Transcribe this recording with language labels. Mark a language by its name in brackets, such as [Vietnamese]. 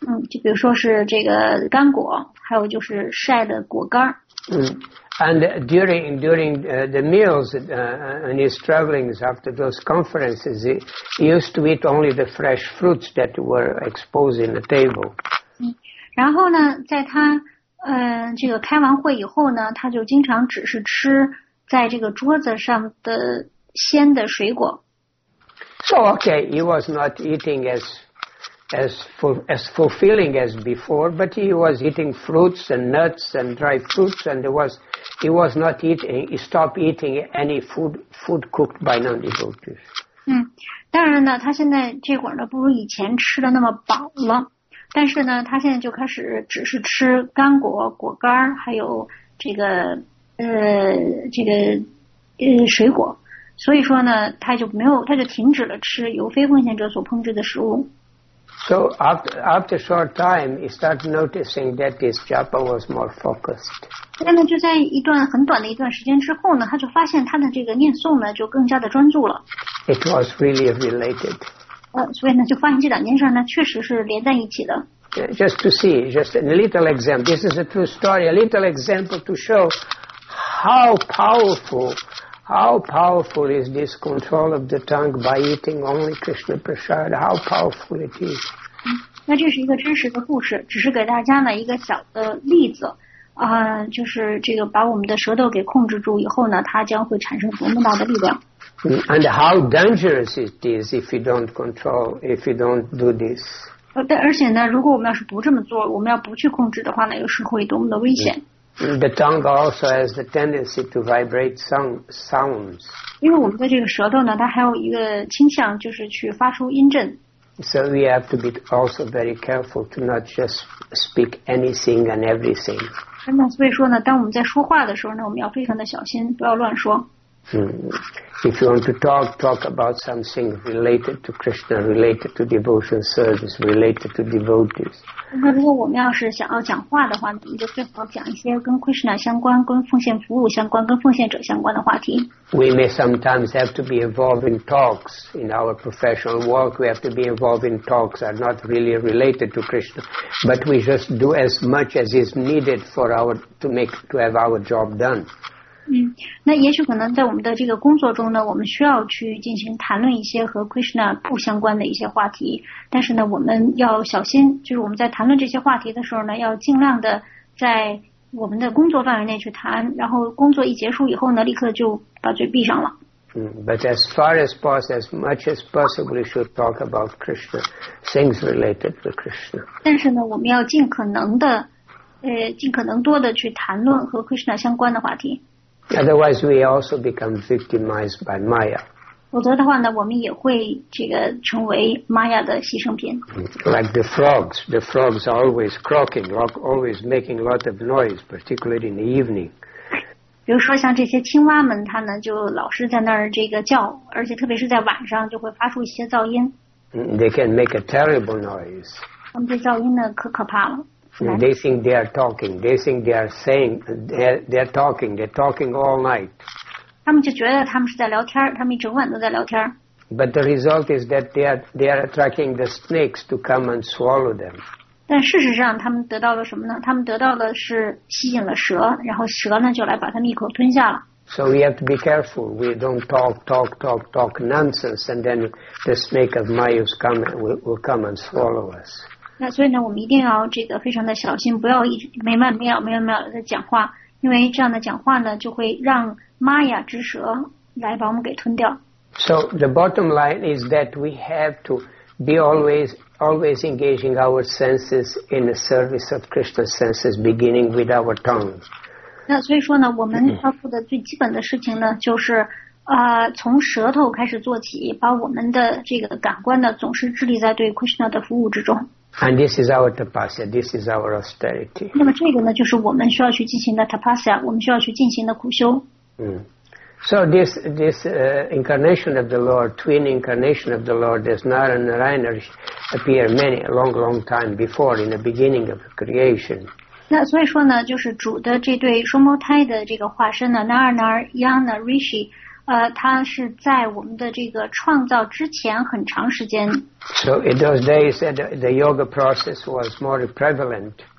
[Chinese] 就比如说是这个干果，还有就是晒的果干。 [English] And during the meals and his travelings after those conferences, he used to eat only the fresh fruits that were exposed in the table. [Chinese] 然后呢，在他这个开完会以后呢，他就经常只是吃在这个桌子上的鲜的水果。 [English] So okay, he was not eating as fulfilling as before, but he was eating fruits and nuts and dry fruits, and he stopped eating any food cooked by non-devotees. [Chinese] 当然呢，他现在这会儿呢不如以前吃的那么饱了，但是呢，他现在就开始只是吃干果、果干还有水果，所以说呢，他就停止了吃由非奉献者所烹制的食物。 [English] So after a short time, he started noticing that his japa was more focused. [Chinese] 那么就在一段很短的一段时间之后呢，他就发现他的这个念诵呢就更加的专注了。 [English] It was really related. [Chinese] 所以呢，就发现这两件事呢确实是连在一起的。 [English] Just to see, just a little example. This is a true story. A little example to show how powerful is this control of the tongue by eating only Krishna Prasad. How powerful it is. [Chinese] 那这是一个真实的故事，只是给大家呢一个小的例子，就是这个把我们的舌头给控制住以后呢，它将会产生多么大的力量。 [English] And how dangerous it is if you don't control, if you don't do this. [Chinese] 但而且呢，如果我们要是不这么做，我们要不去控制的话呢，又是会多么的危险。 [English] The tongue also has the tendency to vibrate sounds. [Chinese] 因为我们的这个舌头呢，它还有一个倾向，就是去发出音震。 [English] So we have to be also very careful to not just speak anything and everything. [Chinese] 那所以说呢，当我们在说话的时候呢，我们要非常的小心，不要乱说。 [English] If you want to talk about something related to Krishna, related to devotion service, related to devotees. [Chinese] 那如果我们要是想要讲话的话，我们就最好讲一些跟 Krishna 相关、跟奉献服务相关、跟奉献者相关的话题。 [English] We may sometimes have to be involved in talks in our professional work. We have to be involved in talks that are not really related to Krishna, but we just do as much as is needed for to have our job done. [Chinese] 那也许可能在我们的这个工作中呢，我们需要去进行谈论一些和 Krishna 不相关的一些话题，但是呢，我们要小心，就是我们在谈论这些话题的时候呢，要尽量的在我们的工作范围内去谈，然后工作一结束以后呢，立刻就把嘴闭上了。 [English] But as far as possible, as much as possible, we should talk about Krishna, things related to Krishna. [Chinese] 但是呢，我们要尽可能的，尽可能多的去谈论和 Krishna 相关的话题。 [English] Otherwise, we also become victimized by Maya. [Chinese] 否则的话呢，我们也会这个成为 Maya 的牺牲品。 [English] Like the frogs are always croaking, always making a lot of noise, particularly in the evening. [Chinese] 比如说像这些青蛙们，它呢就老是在那儿这个叫，而且特别是在晚上就会发出一些噪音。 [English] They can make a terrible noise. [Chinese] 他们这噪音呢可可怕了。 [English] They think they are talking. They think they are saying. They're talking. They're talking all night. [Chinese] 他们就觉得他们是在聊天，他们一整晚都在聊天。 [English] But the result is that they are attracting the snakes to come and swallow them. [Chinese] 但事实上，他们得到了什么呢？他们得到的是吸引了蛇，然后蛇呢就来把他们一口吞下了。 [English] So we have to be careful. We don't talk nonsense, and then the snake of Mayus will come and swallow us. [Chinese] 那所以呢，我们一定要这个非常的小心，不要一直没完没了、没完没了的讲话，因为这样的讲话呢，就会让玛雅之蛇来把我们给吞掉。 [English] So the bottom line is that we have to be always engaging our senses in the service of Krishna's senses, beginning with our tongue. [Chinese] 那所以说呢，我们要做的最基本的事情呢，就是从舌头开始做起，把我们的这个感官呢，总是致力在对 Krishna 的服务之中。 [English] And this is our tapasya. This is our austerity. [Chinese] 那么这个呢，就是我们需要去进行的 tapasya， 我们需要去进行的苦修。 [English] So this incarnation of the Lord, twin incarnation of the Lord, as Nara and Narayana appear many a long, long time before in the beginning of creation. [Chinese] 那所以说呢，就是主的这对双胞胎的这个化身呢 ，Narayana Yana Rishi。他是在我们的这个创造之前很长时间。 [English] So in those days, the yoga process was more prevalent.